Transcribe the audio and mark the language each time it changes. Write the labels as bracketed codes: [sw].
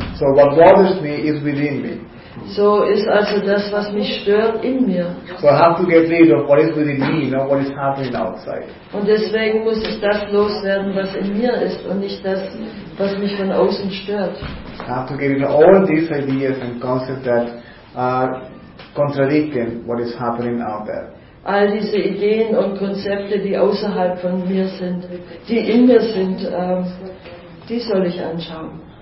[en] So what bothers me is within me. [de] So ist also das, was mich stört, in mir. [en] So I have to get rid of what is within me, not what is happening outside. [de] Und deswegen muss ich das loswerden, was in mir ist, und nicht das, was mich von außen stört. [en] I have to get rid of all these ideas and concepts that are contradicting what is happening out there. [de] All diese Ideen und Konzepte, die außerhalb von mir sind, die in mir sind, die soll ich anschauen.